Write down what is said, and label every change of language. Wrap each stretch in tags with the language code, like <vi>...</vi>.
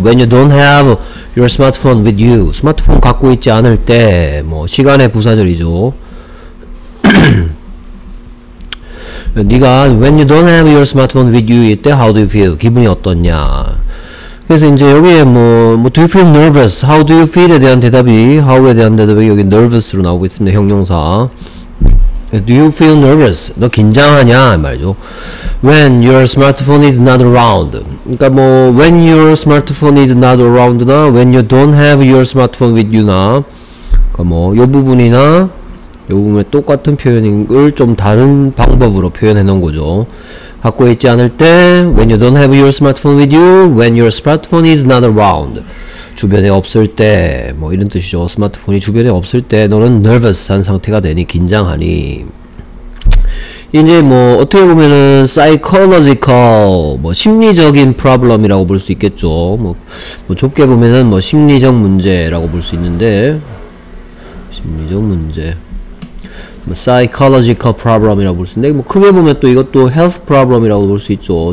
<en>When you don't have your smartphone with you.</en> <ko>스마트폰 갖고 있지 않을 때, 뭐 시간의 부사절이죠. 네가</ko> <en>When you don't have your smartphone with you</en> <ko>이때</ko> <en>How do you feel?</en> <ko>기분이 어떻냐? 그래서 이제 여기에 뭐</ko> <en>Do you feel nervous? How do you feel?</en> <ko>에 대한 대답이, How에 대한 대답이 여기 nervous로 나오고 있습니다. 형용사.</ko> <en>Do you feel nervous?</en> <ko>너 긴장하냐? 말이죠.</ko> <en>When your smartphone is not around.</en> <ko>그러니까 뭐</ko> <en>When your smartphone is not around</en> <ko>나</ko> <en>When you don't have your smartphone with you</en> <ko>나, 그러니까 뭐 요 부분이나 요 부분에 똑같은 표현을 좀 다른 방법으로 표현해 놓은 거죠. 갖고 있지 않을 때</ko> <en>When you don't have your smartphone with you. When your smartphone is not around.</en> <ko>주변에 없을 때, 뭐 이런 뜻이죠. 스마트폰이 주변에 없을 때 너는 nervous한 상태가 되니, 긴장하니. 이제 뭐 어떻게 보면은 psychological, 뭐 심리적인 problem이라고 볼 수 있겠죠. 뭐 좁게 보면은 뭐 심리적 문제라고 볼 수 있는데, 심리적 문제, 뭐 psychological problem이라고 볼 수 있는데, 뭐 크게 보면 또 이것도 health problem이라고 볼 수 있죠.</ko>